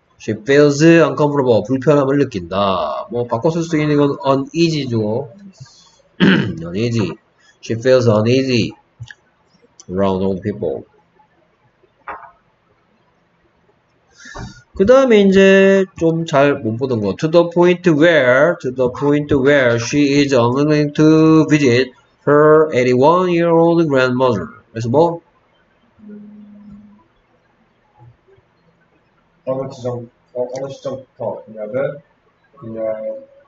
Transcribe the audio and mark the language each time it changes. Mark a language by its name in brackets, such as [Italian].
[English] She feels uncomfortable. [Korean] 불편함을 느낀다. 뭐 바꿔 쓸 수 있는 건 uneasy죠. uneasy. [English] She feels uneasy around old people. [Korean] 그 다음에 이제 좀 잘 못 보던 거. [English] To the point where she is unwilling to visit her 81-year-old grandmother. [Korean] 그래서 뭐? 어느 시점부터 그녀는 그녀의